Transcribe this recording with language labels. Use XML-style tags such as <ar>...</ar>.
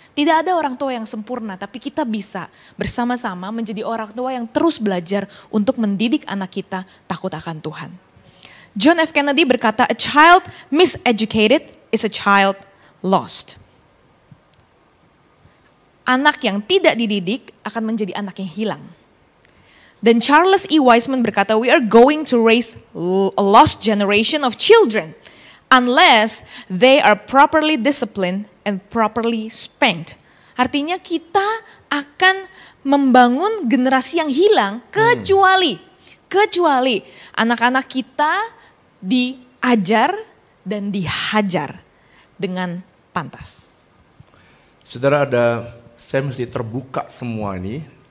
<id>Tidak ada orang tua yang sempurna, tapi kita bisa bersama-sama menjadi orang tua yang terus belajar untuk mendidik anak kita takut akan Tuhan. John F.</id> <en>Kennedy berkata, "A child miseducated is a child lost."</en> <id>Anak yang tidak dididik akan menjadi anak yang hilang. Dan Charles E.</id> <en>Wiseman berkata, "We are going to raise a lost generation of children unless they are properly disciplined and properly spanked."</en> <id>Artinya kita akan membangun generasi yang hilang kecuali kecuali anak-anak kita diajar dan dihajar dengan pantas. Saudara, ada saya mesti terbuka semua ini.</id>